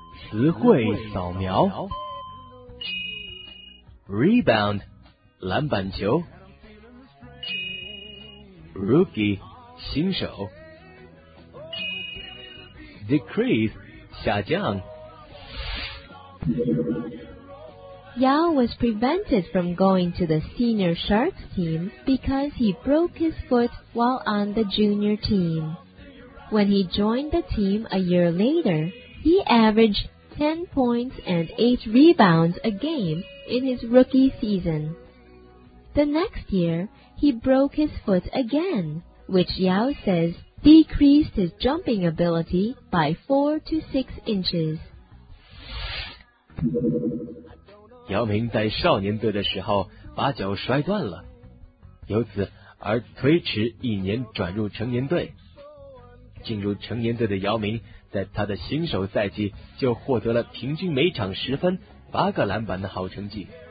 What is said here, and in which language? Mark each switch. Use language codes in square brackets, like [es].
[zh] 词汇扫描 Rebound 篮板球 Rookie 新手 Decrease 下降 [en] Yao was prevented from going to the senior Sharks team because he broke his foot while on the junior team. When he joined the team a year later, he averaged 10 points and 8 rebounds a game in his rookie season. The next year, he broke his foot again, which Yao says decreased his jumping ability by 4 to 6 inches. [zh] 姚明在少年队的时候把脚摔断了，由此而推迟一年转入成年队。进入成年队的姚明在他的新手赛季就获得了平均每场十分、八个篮板的好成绩。